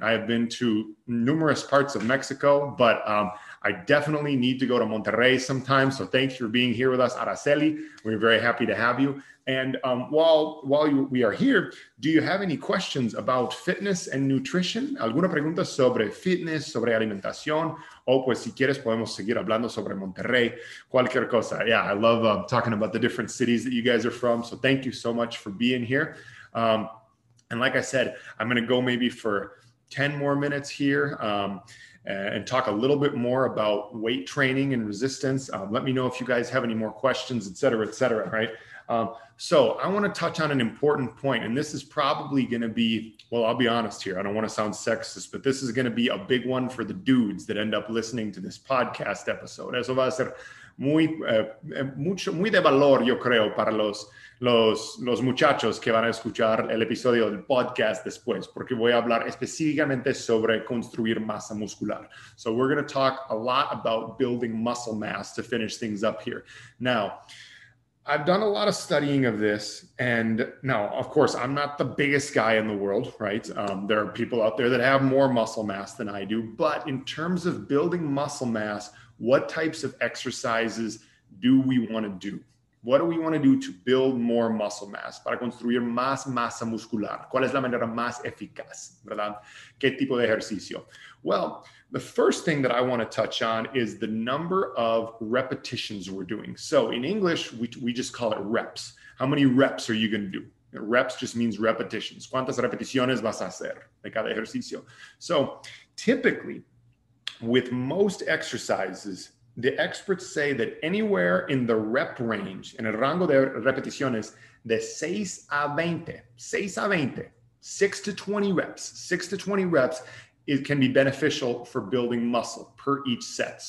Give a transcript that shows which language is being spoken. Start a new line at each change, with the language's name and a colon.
English: I have been to numerous parts of Mexico, but I definitely need to go to Monterrey sometime. So thanks for being here with us, Araceli. We're very happy to have you. And while we are here, do you have any questions about fitness and nutrition?
Spanish: ¿Alguna pregunta sobre fitness, sobre alimentación? O pues si quieres, podemos seguir hablando sobre Monterrey. Cualquier cosa.
English: Yeah, I love talking about the different cities that you guys are from. So thank you so much for being here. And like I said, I'm going to go maybe for 10 more minutes here and talk a little bit more about weight training and resistance. Let me know if you guys have any more questions, et cetera, right? So I want to touch on an important point, and this is probably going to be, well, I'll be honest here. I don't want to sound sexist, but this is going to be a big one for the dudes that end up listening to this podcast episode.
Spanish: Eso va a ser muy de valor, yo creo, para los muchachos que van a escuchar el episodio del podcast después, porque voy a hablar específicamente sobre construir masa muscular.
English: So we're going to talk a lot about building muscle mass to finish things up here. Now, I've done a lot of studying of this, and now, of course, I'm not the biggest guy in the world, right? There are people out there that have more muscle mass than I do, but in terms of building muscle mass, what types of exercises do we want to do? What do we want to do to build more muscle mass?
Spanish: Para construir más masa muscular. ¿Cuál es la manera más eficaz? ¿Verdad? ¿Qué tipo de ejercicio?
English: Well, the first thing that I want to touch on is the number of repetitions we're doing. So in English, we just call it reps. How many reps are you going to do? Reps just means repetitions.
Spanish: ¿Cuántas repeticiones vas a hacer de cada ejercicio?
English: So typically, with most exercises, the experts say that anywhere in the rep range, in a
Spanish: rango de repeticiones,
English: de 6 to 20 reps, it can be beneficial for building muscle per each set.